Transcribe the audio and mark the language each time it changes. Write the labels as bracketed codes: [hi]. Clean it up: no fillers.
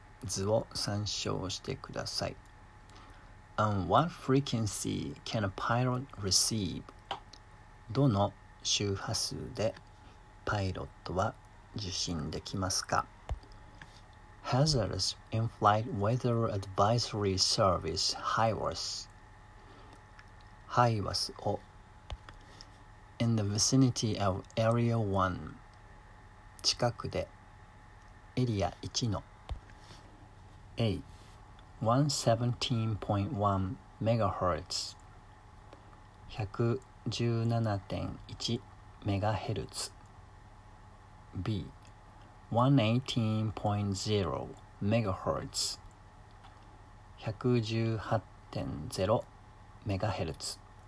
[ja] 図を参照してください。 [en] On what frequency can a pilot receive? [ja] どの周波数でパイロットは受信できますか? [en] Hazardous in-flight weather advisory service HIVARS. HIVARS を In the vicinity of Area 1 [ja] 近くでエリア1の [en] A 117.1MHz 117.1MHz B 118.0MHz 118.0MHz